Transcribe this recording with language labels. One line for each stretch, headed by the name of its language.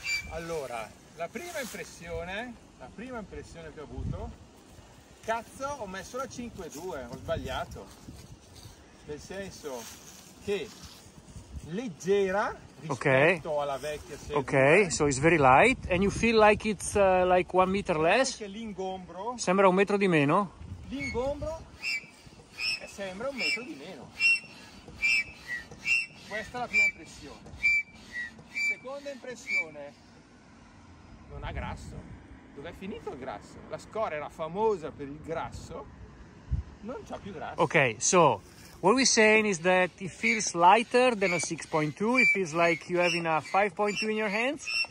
Italian: Allora, la prima impressione che ho avuto, cazzo, ho messo la 5.2, ho sbagliato. Nel senso che leggera rispetto okay. alla vecchia serie.
English: Ok, so it's very light and you feel like it's like 1 meter less.
Italian: Che l'ingombro sembra 1 metro di meno. L'ingombro sembra 1 metro di meno. Questa è la prima impressione. Seconda impressione, non ha grasso. Dov'è finito il grasso? La score era famosa per il grasso, non c'ha più grasso.
English: Ok, so what we're saying is that it feels lighter than a 6.2. It feels like you have in a 5.2 in your hands.